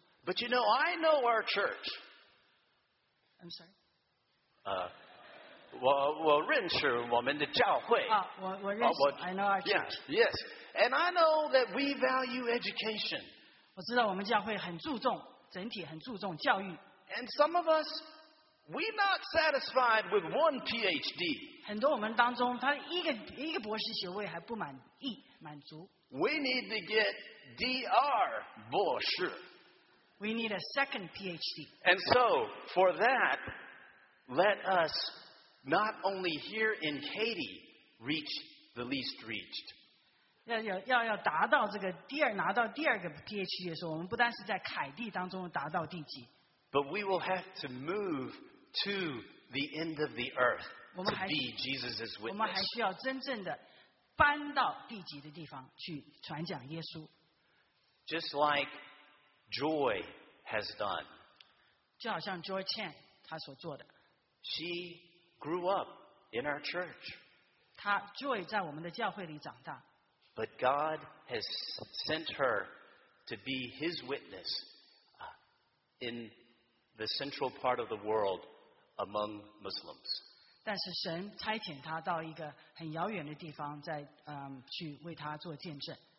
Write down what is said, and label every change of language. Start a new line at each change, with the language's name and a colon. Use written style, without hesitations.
English: But you know, I know our church. I'm sorry.
Chinese: Well, 认识我们的教会。
English: I know our church. Yes, yes. And I know that we value education.
Chinese: 我知道我们教会很注重，整体很注重教育。
English: And some of us, we're not satisfied with one PhD.
Chinese: 很多我们当中，他一个博士学位还不满意，满足。
English: We need to get DR
Chinese: 博士。
English: We need a second PhD. And so, for that, let us... Not only here in Katy reach the least reached.
Chinese: 要达到这个第二拿到第二个 PhD 的时候，我们不单是在凯蒂当中达到地级。
English: But we will have to move to the end of the earth to be Jesus' witness.
Chinese: 我们还需要真正的搬到地级的地方去传讲耶稣。
English: Just like Joy has done.
Chinese: 就好像 Joy Chan 他所做的。
English: She. Grew up in our church.
Chinese: 她 Joy 在我们的教会里长大。
English: But God has sent her to be His witness in the central part of the world among Muslims.
Chinese: 但是神差遣她到一个很遥远的地方，在去为她做见证。